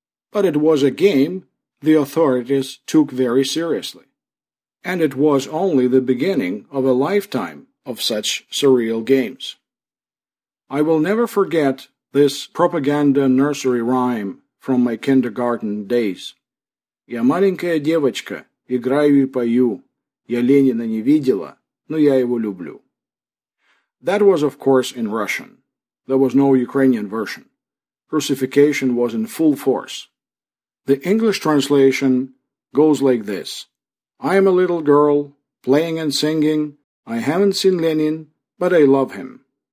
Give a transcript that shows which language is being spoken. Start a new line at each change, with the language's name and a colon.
English: But it was a game the authorities took very seriously. And it was only the beginning of a lifetime of such surreal games. I will never forget this propaganda nursery rhyme from my kindergarten days.
Russian: Я маленькая девочка, играю и пою. Я Ленина не видела, но я его люблю.
English: That was, of course, in Russian. There was no Ukrainian version. Russification was in full force. The English translation goes like this. I am a little girl, playing and singing. I haven't seen Lenin, but I love him.